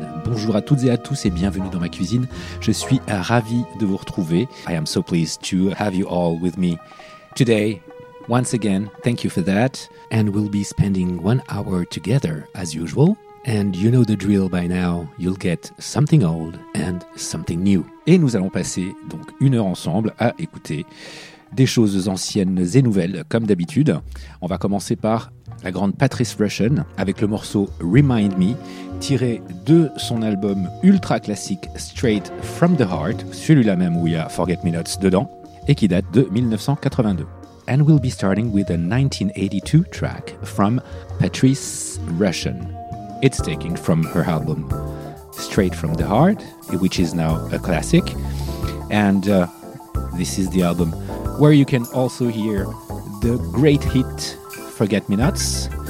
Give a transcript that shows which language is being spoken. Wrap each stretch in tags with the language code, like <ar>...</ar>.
<fr>Bonjour à toutes et à tous et bienvenue dans ma cuisine. Je suis ravi de vous retrouver.</fr> <en>I am so pleased to have you all with me today. Once again, thank you for that. And we'll be spending 1 hour together as usual. And you know the drill by now, you'll get something old and something new.</en> <fr>Et nous allons passer donc une heure ensemble à écouter des choses anciennes et nouvelles, comme d'habitude. On va commencer par la grande Patrice Russian avec le morceau Remind Me, tiré de son album ultra classique Straight From The Heart, celui-là même où il y a Forget Me Nots dedans, et qui date de 1982.</fr> <en>And we'll be starting with a 1982 track from Patrice Russian. It's taken from her album Straight From The Heart, which is now a classic. And this is the album where you can also hear the great hit Forget Me Nots.</en>